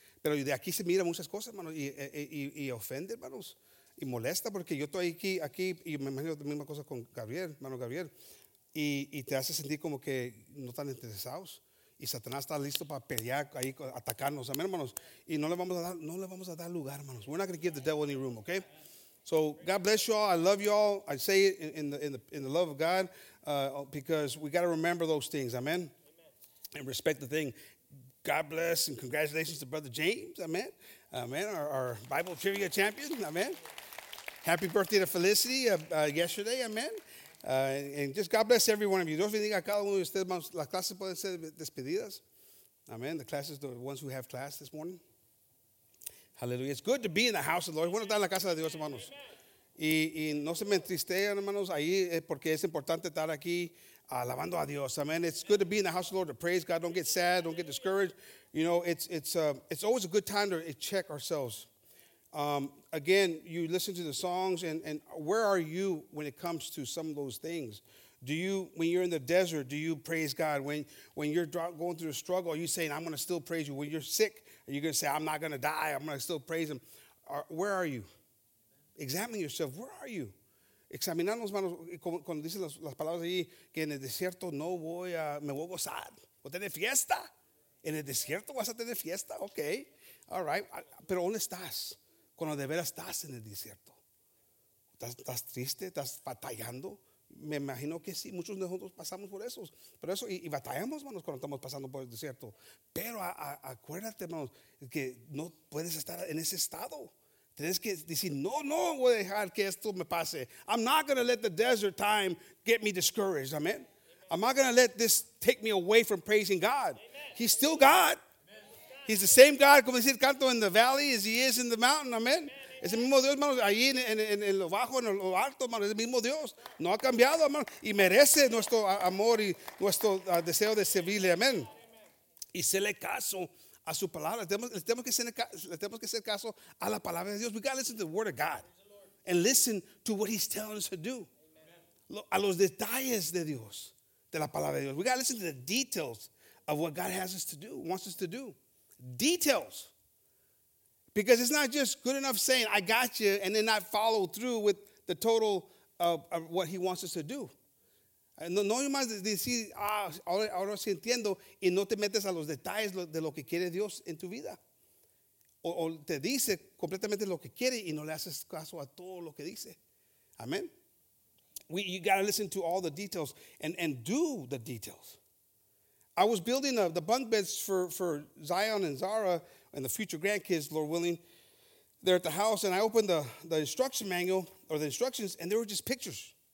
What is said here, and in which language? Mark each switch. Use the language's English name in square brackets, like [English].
[Spanish] Pero de aquí se mira muchas cosas, hermanos, y ofende, hermanos, y molesta, porque yo estoy aquí y me imagino la misma cosa con Gabriel, hermano Gabriel, y te hace sentir como que no están interesados. Y Satanás está listo para pelear, ahí atacarnos. Amén, hermanos. Y no le vamos a dar lugar, hermanos. [English] We're not going to give the devil any room, okay? So, God bless you all. I love you all. I say it in the love of God because we got to remember those things. Amen? Amen. And respect the thing. God bless and congratulations to Brother James. Amen. Amen. Our Bible trivia champion. Amen. Happy birthday to Felicity yesterday. Amen. And just God bless every one of you. [Spanish] Dios bendiga a cada uno de ustedes. Las clases pueden ser despedidas. [English] Amen. The classes, the ones who have class this morning. Hallelujah. It's good to be in the house of the Lord. [Spanish] Bueno, estar en la casa de Dios, hermanos. Y no se me entristean, hermanos, ahí porque es importante estar aquí alabando a Dios. [English] Amen. It's good to be in the house of the Lord to praise God. Don't get sad. Don't get discouraged. You know, it's always a good time to check ourselves. Again, you listen to the songs, and where are you when it comes to some of those things? Do you, when you're in the desert, do you praise God? When you're going through a struggle, are you saying, I'm going to still praise you? When you're sick, are you going to say, I'm not going to die, I'm going to still praise him? Where are you? Examine yourself. Where are you? [Spanish] Examinar los manos, cuando dicen las palabras ahí, que en el desierto no voy a, me voy a gozar. ¿Voy a tener fiesta? ¿En el desierto vas a tener fiesta? [English] Okay. All right. [Spanish] Pero ¿dónde estás? Cuando de veras estás en el desierto. ¿Estás triste? ¿Estás batallando? Me imagino que sí, muchos de nosotros pasamos por eso. Pero eso, y batallamos, hermanos, cuando estamos pasando por el desierto. Pero acuérdate, hermanos, que no puedes estar en ese estado. Tienes que decir, no voy a dejar que esto me pase. [English] I'm not going to let the desert time get me discouraged, amen. I'm not going to let this take me away from praising God. He's still God. He's the same God, [Spanish] como dice el canto, [English] in the valley as he is in the mountain, amen. [Spanish] Es el mismo Dios, hermano, ahí en lo bajo, en lo alto, hermano, es el mismo Dios. No ha cambiado, hermano, y merece nuestro amor y nuestro deseo de servirle, amén. Y hacerle caso a su palabra. Le tenemos que hacer caso a la palabra de Dios. [English] We got to listen to the word of God and listen to what he's telling us to do. [Spanish] A los detalles de Dios, [English] de la palabra de Dios. We got to listen to the details of what God has us to do, wants us to do. Details. Because it's not just good enough saying, I got you, and then not follow through with the total of what he wants us to do. [Spanish] No más decir, ahora sí entiendo, y no te metes a los detalles de lo que quiere Dios en tu vida. O te dice completamente lo que quiere y no le haces caso a todo lo que dice. Amén. [English] You got to listen to all the details and do the details. I was building the bunk beds for Zion and Zara and the future grandkids, Lord willing, there at the house, and I opened the instruction manual or the instructions, and there were just pictures.